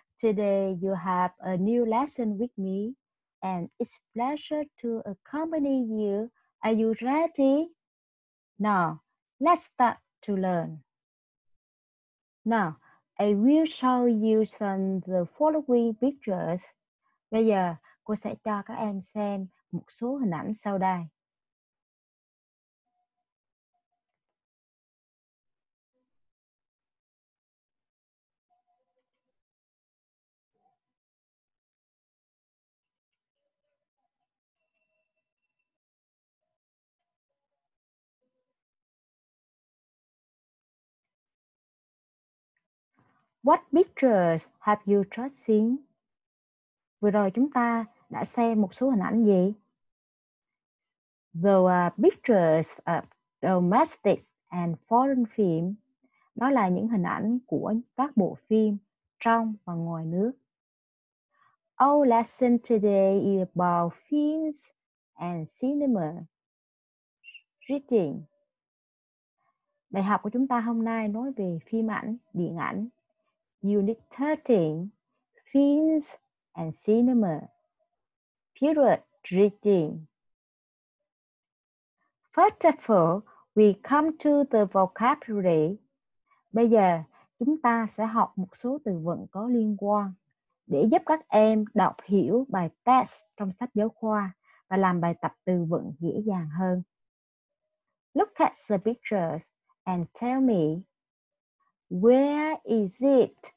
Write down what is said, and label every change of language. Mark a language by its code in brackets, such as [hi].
[en] Today you have a new lesson with me, and it's a pleasure to accompany you. Are you ready? Now, let's start to learn. Now, I will show you some the following pictures. [vi] Bây giờ, cô sẽ cho các em xem một số hình ảnh sau đây. [en] What pictures have you just seen? [vi] Vừa rồi chúng ta đã xem một số hình ảnh gì? [en] The pictures of domestic and foreign film. [vi] Đó là những hình ảnh của các bộ phim trong và ngoài nước. [en] Our lesson today is about films and cinema. Reading. [vi] Bài học của chúng ta hôm nay nói về phim ảnh, điện ảnh. [en] Unit 13, Films and Cinema, Period Reading. First of all, we come to the vocabulary. [vi] Bây giờ, chúng ta sẽ học một số từ vựng có liên quan để giúp các em đọc hiểu bài test trong sách giáo khoa và làm bài tập từ vựng dễ dàng hơn. [en] Look at the pictures and tell me, where is it?